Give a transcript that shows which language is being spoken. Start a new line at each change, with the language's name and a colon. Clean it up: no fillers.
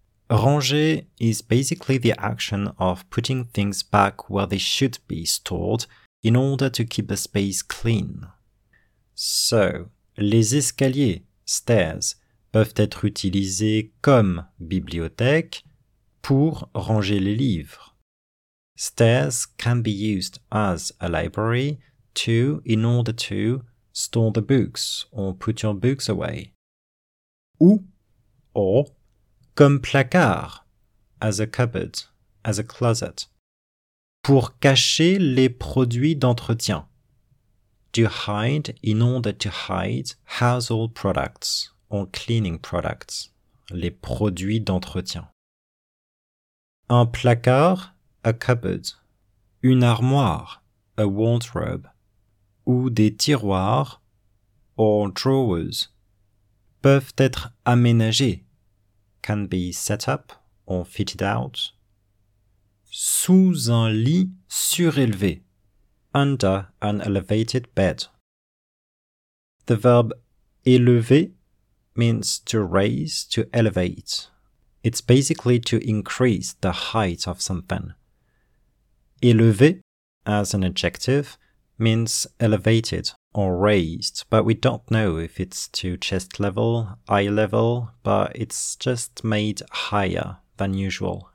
English: Ranger is basically the action of putting things back where they should be stored in order to keep the space clean.
French: So, les escaliers, stairs, peuvent être utilisés comme bibliothèque pour ranger les livres.
English: Stairs can be used as a library to, in order to, store the books or put your books away.
French: Ou, or, comme placard,
English: as a cupboard, as a closet,
French: pour cacher les produits d'entretien.
English: To hide, in order to hide, household products or cleaning products,
French: les produits d'entretien.
English: Un placard, a cupboard, une armoire, a wardrobe, ou des tiroirs, or drawers,
French: peuvent être aménagés,
English: can be set up or fitted out,
French: sous un lit surélevé,
English: under an elevated bed. The verb élever means to raise, to elevate. It's basically to increase the height of something. Élever, as an adjective, means elevated or raised, but we don't know if it's to chest level, eye level, but it's just made higher than usual.